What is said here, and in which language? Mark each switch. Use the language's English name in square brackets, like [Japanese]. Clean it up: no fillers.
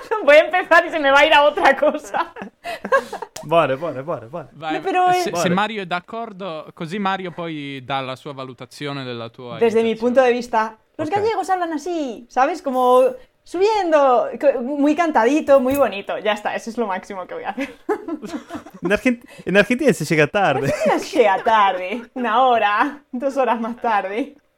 [Spanish] Voy a empezar y se me va a ir a otra cosa. Vale, vale, vale, vale. [Italian] Vai, pero se Mario è d'accordo, così Mario poi dà la sua valutazione della tua imitazione. [Spanish] Desde mi punto de vista, los gallegos hablan así, ¿sabes? Como subiendo, muy cantadito, muy bonito. Ya está, eso es lo máximo que voy a hacer. En Argentina se llega tarde. En Argentina se llega tarde, una hora, dos horas más tarde.